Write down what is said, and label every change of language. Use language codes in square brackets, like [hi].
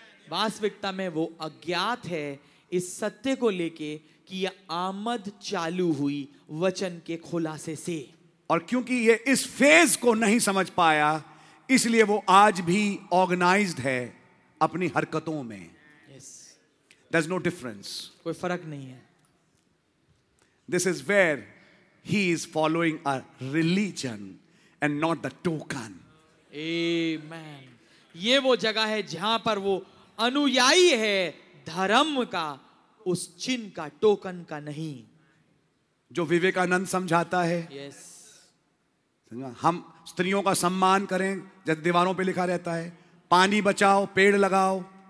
[hi] वास्तविकता में वो अज्ञात है इस सत्य को लेके कि ये आमद चालू हुई वचन के खुलासे से. और क्योंकि ये इस फेज को नहीं समझ पाया, इसलिए वो आज भी ऑर्गेनाइज्ड है अपनी हरकतों में. [en] There's no difference. [hi] कोई फर्क नहीं है. [en] This is where he is following a religion and not the token. Amen. [hi] ये वो जगह है जहां पर वो अनुयायी है धर्म का, उस चिन्ह का, टोकन का नहीं. जो विवेकानंद समझाता है. [en] Yes. [hi] हम स्त्रियों का सम्मान करें, जैसे दीवारों पे लिखा रहता है, पानी बचाओ, पेड़ लगाओ.